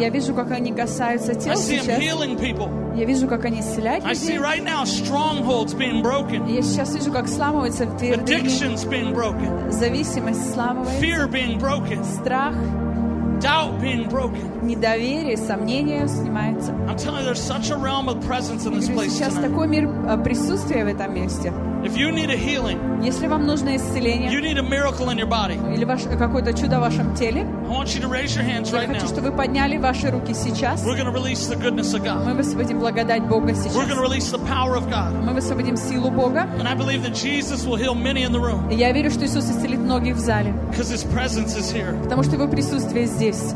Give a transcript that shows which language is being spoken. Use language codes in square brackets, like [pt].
[ru] Я вижу, как они касаются тел сейчас. [en] I see them healing people. [ru] Я вижу, как они исцеляют людей. [en] I see right now strongholds being broken. [ru] Я сейчас вижу, как сломаются твердыни. [en] Addictions being broken. [ru] Зависимость сломается. [en] Fear being broken. [ru] Страх. [en] Doubt being broken. [ru] Недоверие, сомнение снимается. [en] I'm telling you, there's such a realm of presence in this place. [ru] Сейчас такой мир присутствия в этом месте. [en] If you need a healing, [ru] если вам нужно исцеление, [en] you need a miracle in your body, [ru] или какое-то чудо в вашем теле, [en] I want you to raise your hands right now. [ru] Я хочу, чтобы вы подняли ваши руки сейчас. [en] We're going to release the goodness of God. [ru] Мы высвободим благодать Бога сейчас. [en] We're going to release the power of God. [ru] Мы высвободим силу Бога. [en] And I believe that Jesus will heal many in the room. [ru] Я верю, что Иисус исцелит многих в зале. [en] Because His presence is here. [ru] Потому что Его присутствие здесь.